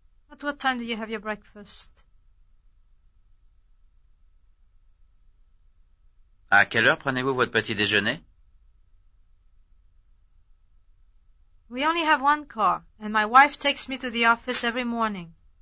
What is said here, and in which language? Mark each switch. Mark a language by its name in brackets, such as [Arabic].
[English] At what time do you have your breakfast? [French] À quelle heure prenez-vous votre petit déjeuner? [English] We only have one car, and my wife takes me to the office every morning.